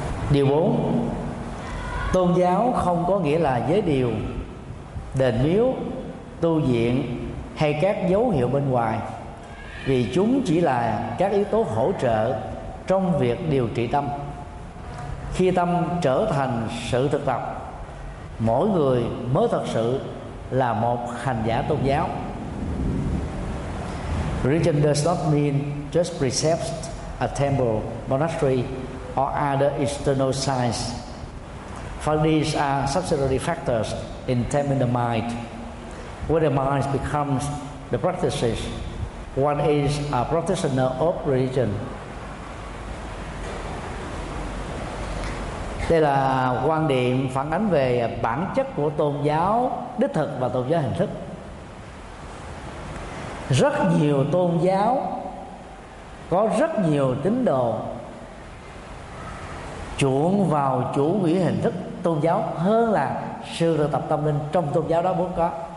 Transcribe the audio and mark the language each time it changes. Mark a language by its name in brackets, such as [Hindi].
[Vietnamese] Điều 4, tôn giáo không có nghĩa là giới điều, đền miếu, tu viện hay các dấu hiệu bên ngoài, vì chúng chỉ là các yếu tố hỗ trợ trong việc điều trị tâm. Khi tâm trở thành sự thực tập, mỗi người mới thật sự là một hành giả tôn giáo. [English] Religion does not mean just precepts, a temple, monastery, or other external signs. For these are subsidiary factors in taming the mind. When the mind becomes the practices, one is a practitioner of religion. [Vietnamese] Đây là quan điểm phản ánh về bản chất của tôn giáo đích thực và tôn giáo hình thức. Rất nhiều tôn giáo có rất nhiều tín đồ chuộng vào chủ nghĩa hình thức tôn giáo hơn là sự thực tập tâm linh trong tôn giáo đó vốn có.